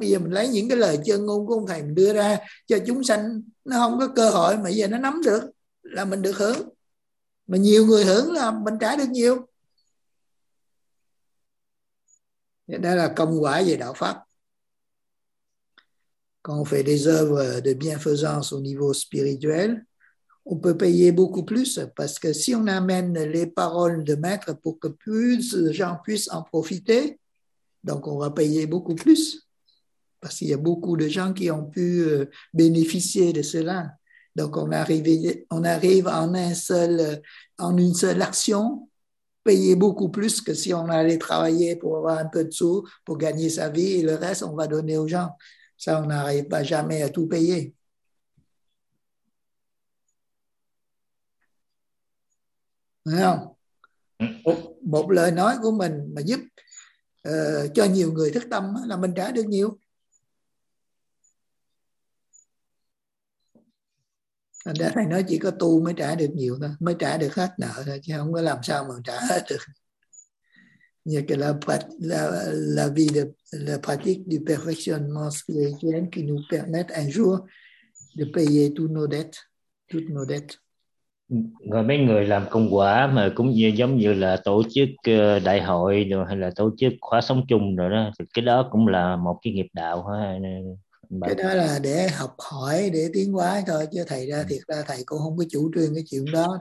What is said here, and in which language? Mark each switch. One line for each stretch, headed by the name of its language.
Vietnamese: Bây giờ mình lấy những cái lời chân ngôn của ông thầy mình đưa ra cho chúng sanh, nó không có cơ hội mà giờ nó nắm được là mình được hưởng. Mà nhiều người hưởng là mình trả được nhiều. Đây là công quả về đạo pháp.
French: Quand on fait des œuvres de bienfaisance au niveau spirituel, on peut payer beaucoup plus, parce que si on amène les paroles de maître pour que plus de gens puissent en profiter, donc on va payer beaucoup plus. Parce qu'il y a beaucoup de gens qui ont pu bénéficier de cela. Donc on arrive en une seule action, payer beaucoup plus que si on allait travailler pour avoir un peu de sous, pour gagner sa vie, et le reste on va donner aux gens. Ça, on n'arrive pas jamais à tout payer. Non.
Vietnamese: Một lời nói của mình mà giúp cho nhiều người thức tâm là mình trả được nhiều. Anh đã thầy nói chỉ có tu mới trả được nhiều thôi, mới trả được hết nợ thôi, chứ không có làm sao mà trả hết được. Nhưng cái
French: la vie de la pratique du perfectionnement spirituel qui nous permet un jour de payer toutes nos dettes.
Vietnamese: Rồi mấy người làm công quả mà cũng như giống như là tổ chức đại hội rồi hay là tổ chức khóa sống chung rồi đó, thì cái đó cũng là một cái nghiệp đạo ha. Cái đó là để học hỏi, để tiến hóa thôi, chứ thầy ra thiệt ra thầy cũng không có chủ trương cái chuyện đó.